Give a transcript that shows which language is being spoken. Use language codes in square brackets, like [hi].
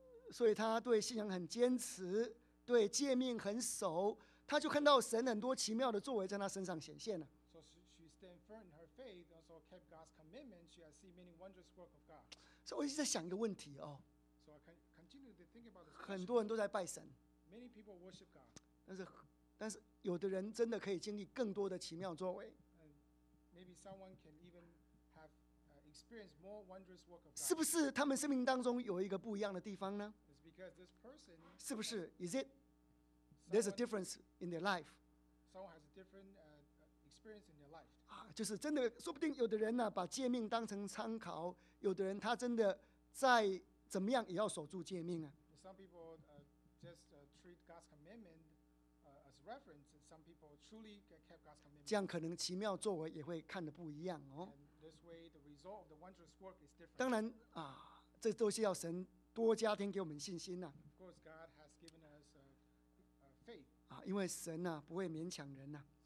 [zh] 所以他对信仰很坚持，对诫命很熟，他就看到神很多奇妙的作为在他身上显现了。 [en] So she stand firm in her faith, also kept God's commitment. She has seen many wondrous work of God. [zh] 所以我一直在想一个问题哦。 [en] So I continue to think about this. [zh] 很多人都在拜神。 [en] Many people worship God. [zh] 但是有的人真的可以经历更多的奇妙作为。 [en] Maybe someone can even have experienced more wondrous work of God. [zh] 是不是他们生命当中有一个不一样的地方呢？ [en] It's because this person. [zh] 是不是 ？ [en] Is it? There's a difference in their life. Someone has a different experience in their life. [zh] 就是真的，说不定有的人呢、啊，把诫命当成参考；有的人他真的再怎么样也要守住诫命啊。 [en] Some people just treat God's commandment as reference, and some people truly kept God's commandment. [zh] 这样可能奇妙作为也会看得不一样哦。 [en] This way, the result of the wondrous work is different. [zh] 当然啊，这都是要神多加添给我们信心呐、啊。 [en] Of course, God has given us faith. [zh] 啊，因为神呐、啊、不会勉强人呐、啊。